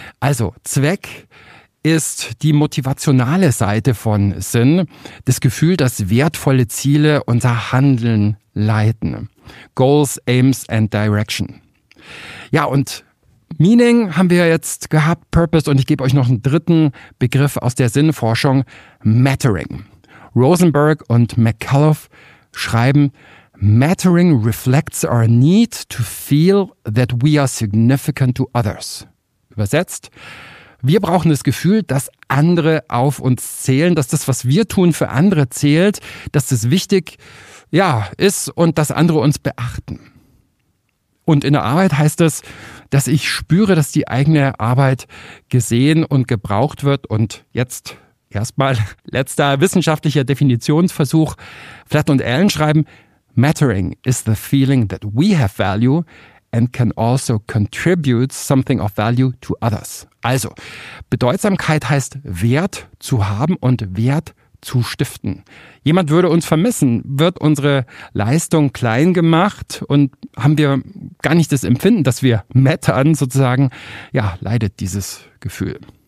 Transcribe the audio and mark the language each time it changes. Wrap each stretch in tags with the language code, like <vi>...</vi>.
<de>Also Zweck ist die motivationale Seite von Sinn, das Gefühl, dass wertvolle Ziele unser Handeln leiten.</de> <en>Goals, aims and direction.</en> <de>Ja, und Meaning haben wir jetzt gehabt, Purpose, und ich gebe euch noch einen dritten Begriff aus der Sinnforschung, Mattering. Rosenberg und McCullough schreiben,</de> <en>Mattering reflects our need to feel that we are significant to others.</en> <de>Übersetzt, wir brauchen das Gefühl, dass andere auf uns zählen, dass das, was wir tun, für andere zählt, dass das wichtig, ja, ist und dass andere uns beachten. Und in der Arbeit heißt es, dass ich spüre, dass die eigene Arbeit gesehen und gebraucht wird. Und jetzt erstmal letzter wissenschaftlicher Definitionsversuch. Flatt und Allen schreiben,</de> <en>Mattering is the feeling that we have value and can also contribute something of value to others.</en> <de>Also, Bedeutsamkeit heißt Wert zu haben und Wert zu stiften. Jemand würde uns vermissen, wird unsere Leistung klein gemacht und haben wir gar nicht das Empfinden, dass wir mattern sozusagen, ja, leidet dieses Gefühl.</de>